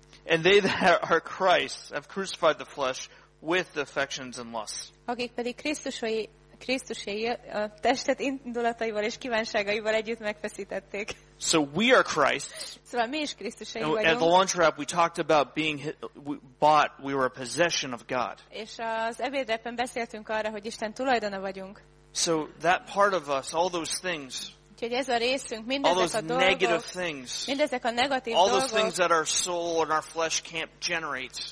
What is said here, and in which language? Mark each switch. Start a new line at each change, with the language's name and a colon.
English: And they that are Christ have crucified the flesh with the affections and lusts.
Hungarian: Akik pedig Krisztusai a testet indulataival és kívánságaival együtt megfeszítették.
English: So we are Christ.
Hungarian: Szóval mi is Krisztusai vagyunk.
English: At the lunch wrap we talked about being bought, we were a possession of God.
Hungarian: És az ebédrepen beszéltünk arra, hogy Isten tulajdona vagyunk.
English: So that part of us, all those things,
Hungarian: úgyhogy ez a részünk, mindezek a dolgok,
English: things,
Hungarian: mindezek a negatív
English: all
Hungarian: dolgok,
English: those things that our soul and our flesh can't generate,